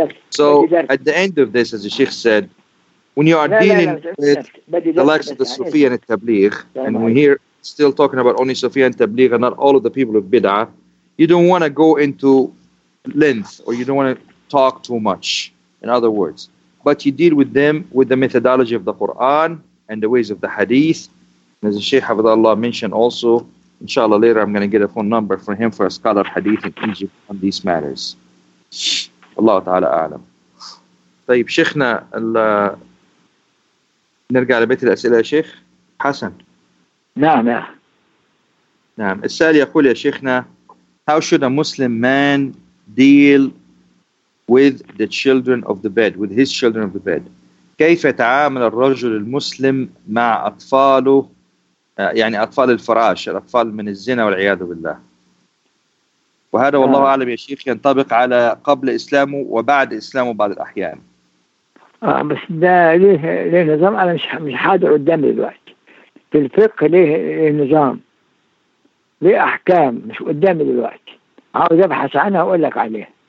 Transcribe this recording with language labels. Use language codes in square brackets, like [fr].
[en] So at the end of this, as the Sheikh said, when you are dealing with the likes of the Sufi and the Tabligh, and we hear still talking about only Sufi and Tabligh and not all of the people of Bid'ah, you don't want to go into length, or you don't want to talk too much, in other words. But you deal with them with the methodology of the Quran and the ways of the Hadith. As the Sheikh Hafidhahullah mentioned also, inshallah later I'm going to get a phone number for him for a scholar Hadith in Egypt on these matters. Allah Ta'ala A'lam. [ar] طيب شيخنا نرجع لبيت الأسئلة يا شيخ حسن. نعم نعم. السؤال يقول يا شيخنا, [en] how should a Muslim man deal with the children of the bed, with his children of the bed? [ar] كيف يتعامل الرجل المسلم مع أطفاله, يعني أطفال الفراش, الأطفال من الزنا والعياذ بالله؟ وهذا والله أعلم يا شيخ ينطبق على قبل إسلامه وبعد إسلامه بعض الأحيان. بس ده ليه نظام, أنا مش حاضر قدام الوقت في الفقه, ليه نظام, ليه أحكام, مش قدام الوقت, عاوز أبحث عنها وأقول لك عليها.